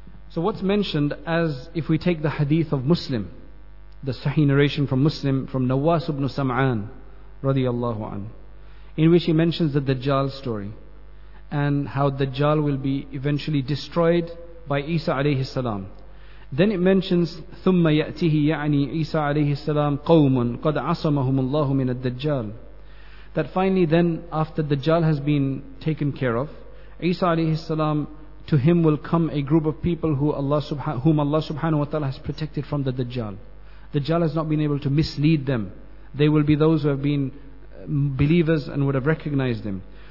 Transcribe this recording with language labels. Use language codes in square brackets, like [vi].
[en] So what's mentioned, as if we take the hadith of Muslim, the Sahih narration from Muslim, from Nawas ibn Sam'an radiallahu an, in which he mentions the Dajjal story and how Dajjal will be eventually destroyed by Isa alayhi salam. Then it mentions [ar] ثُمَّ يَأْتِهِ يَعْنِي Isa alayhi salam قَوْمٌ قَدْ عَصَمَهُمُ اللَّهُ مِنَ الدَّجَّالِ. [en] That finally then, after Dajjal has been taken care of, Isa alayhi salam, to him will come a group of people whom Allah subhanahu wa ta'ala has protected from the Dajjal. Dajjal has not been able to mislead them. They will be those who have been believers and would have recognized him.